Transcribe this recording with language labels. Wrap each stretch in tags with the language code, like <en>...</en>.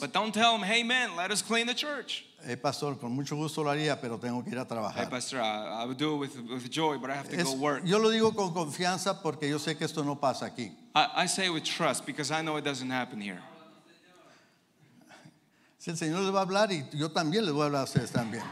<en>But don't tell them, hey, man, let us clean the church.</en> <es>Hey, pastor, con mucho gusto lo haría, pero tengo que ir a trabajar.</es> <en>Hey, pastor, I would do it with joy, but I have to go work.</en> <es>Yo lo digo con confianza porque yo sé que esto no pasa aquí.</es> <en>I say it with trust because I know it doesn't happen here.</en> <es>Si el Señor les va a hablar y yo también les voy a hablar a ustedes también.</es>